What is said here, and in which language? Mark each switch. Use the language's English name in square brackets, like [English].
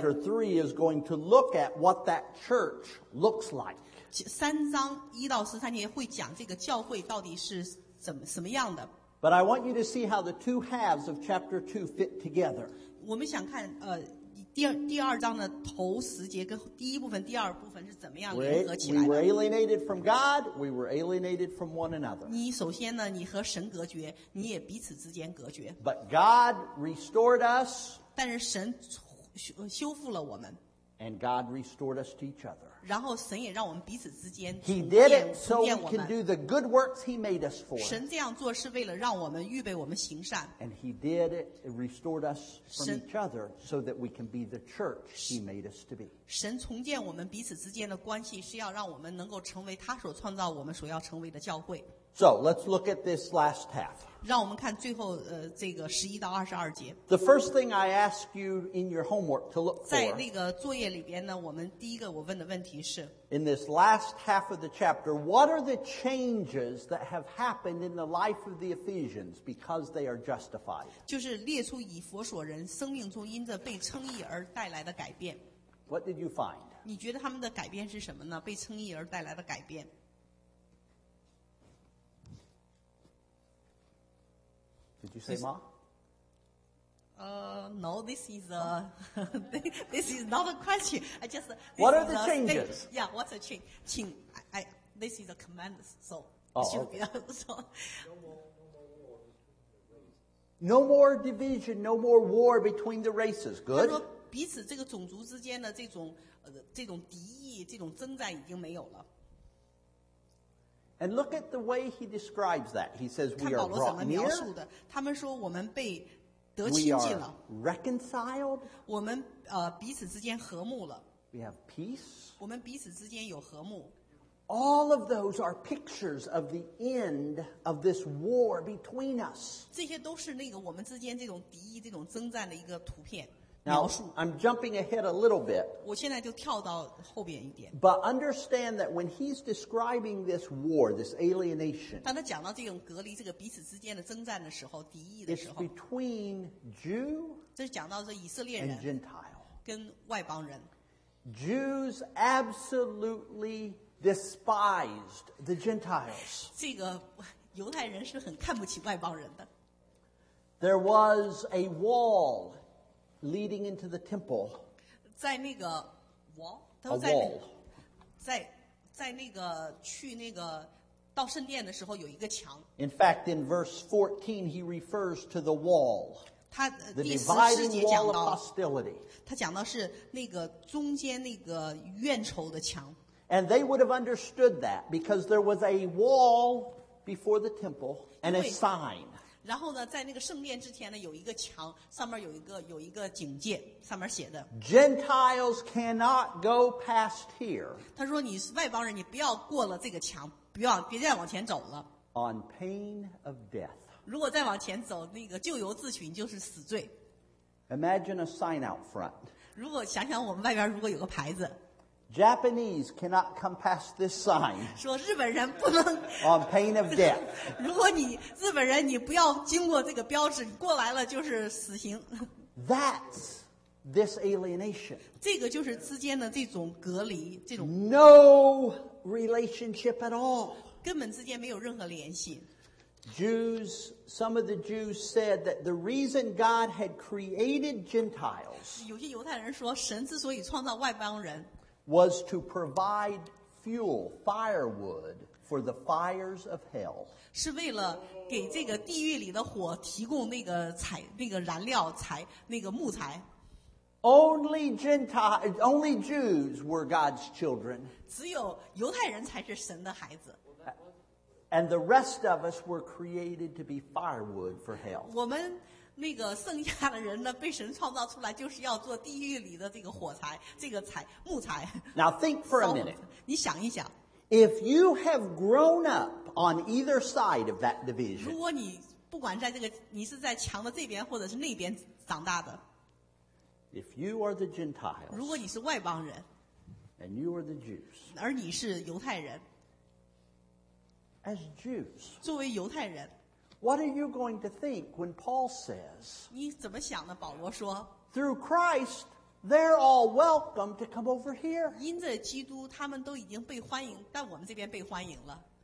[English] ，in chapter 3 is going to look at what that church looks like。 [Chinese] 三章一到十三节会讲这个教会到底是什么样的。 [English] But I want you to see how the two halves of chapter 2 fit together。 [Chinese] 我们想看第二章的头十节跟第一部分第二部分是怎么样联合起来的 [English] ？We were alienated from God. We were alienated from one another. [Chinese] 你首先呢，你和神隔绝，你也彼此之间隔绝。 [English] But God restored us. [Chinese] 但是神修复了我们。 [English] And God restored us to each other. [Chinese] 然后神也让我们彼此之间。 [English] He did it so we can do the good works He made us for. [Chinese] 神这样做是为了让我们预备我们行善。 [English] And He did it, restored us from each other so that we can be the church He made us to be. [Chinese] 神重建我们彼此之间的关系是要让我们能够成为他所创造我们所要成为的教会。 [English] So let's look at this last half. [Chinese] 让我们看最后这个十一到二十二节。 [English] The first thing I ask you in your homework to look for. [Chinese] 在那个作业里边呢，我们第一个我问的问题是。 [English] In this last half of the chapter, what are the changes that have happened in the life of the Ephesians because they are justified? [Chinese] 就是列出以弗所人生命中因着被称义而带来的改变。 [English] What did you find? [Chinese] 你觉得他们的改变是什么呢？被称义而带来的改变。 [English] Did you say ma? No, this is a, this is not a question. I just, what are the changes? Yeah, what's a change? This is a command, so. Oh, okay. So. No more division, no more war between the races. Good. [Chinese] 他说彼此这个种族之间的这种敌意，这种征战已经没有了。 [English] And look at the way he describes that. He says we are brought near. [Chinese] 他们说我们被得亲近了。 [English] We are reconciled. [Chinese] 我们彼此之间和睦了。 [English] We have peace. [Chinese] 我们彼此之间有和睦。 [English] All of those are pictures of the end of this war between us. [Chinese] 这些都是那个我们之间这种敌意、这种征战的一个图片。 [English] Now, I'm jumping ahead a little bit. [Chinese] 我现在就跳到后边一点。 [English] But understand that when he's describing this war, this alienation, [Chinese] 当他讲到这种隔离、这个彼此之间的征战的时候、敌意的时候， [English] it's between Jew, [Chinese] 这是讲到这以色列人 [English] and Gentile, [Chinese] 跟外邦人。 [English] Jews absolutely despised the Gentiles. [Chinese] 这个犹太人是很看不起外邦人的。 [English] There was a wall. Leading into the temple, [Chinese] 在那个 wall, 他说 在那个去那个到圣殿的时候有一个墙。 [English] In fact, in verse 14, he refers to the wall. [Chinese] 他 [English] the dividing wall of hostility. [Chinese] 他讲到是那个中间那个怨仇的墙。 [English] And they would have understood that because there was a wall before the temple and a sign. [Chinese] 然后呢，在那个圣殿之前呢，有一个墙，上面有一个警戒，上面写的 [English] "Gentiles cannot go past here." [Chinese] 他说：“你是外邦人，你不要过了这个墙，别再往前走了。 [English] ”On pain of death. [Chinese] 如果再往前走，那个咎由自取，就是死罪。 [English] Imagine a sign out front. [Chinese] 如果想想我们外边如果有个牌子 [English] ，Japanese cannot come past this sign. [Chinese] 说日本人不能。 [English] On pain of death. [Chinese] 如果你日本人，你不要经过这个标志，你过来了就是死刑。 [English] That's this alienation. [Chinese] 这个就是之间的这种隔离，这种 [English] no relationship at all. [Chinese] 根本之间没有任何联系。 [English] Jews, some of the Jews said that the reason God had created Gentiles. [Chinese] 有些犹太人说，神之所以创造外邦人 [English] ，was to provide fuel, firewood. For the fires of hell, [Chinese] 是为了给这个地狱里的火提供那个柴、那个燃料柴、那个木材。 [English] Only Jews were God's children. [Chinese] 只有犹太人才是神的孩子。 [English] And the rest of us were created to be firewood for hell. [Chinese] 我们那个剩下的人呢，被神创造出来就是要做地狱里的这个火柴、这个柴、木材。 [English] Now think for a minute. [Chinese] 你想一想。 [English] If you have grown up on either side of that division, [Chinese] 如果你不管在这个，你是在墙的这边或者是那边长大的。 [English] If you are the Gentiles, [Chinese] 如果你是外邦人。 [English] And you are the Jews, [Chinese] 而你是犹太人。 [English] As Jews, [Chinese] 作为犹太人。 [English] What are you going to think when Paul says? [Chinese] 你怎么想呢？保罗说。 [English] Through Christ. They're all welcome to come over here. [Chinese] 因着基督，他们都已经被欢迎，但我们这边被欢迎了。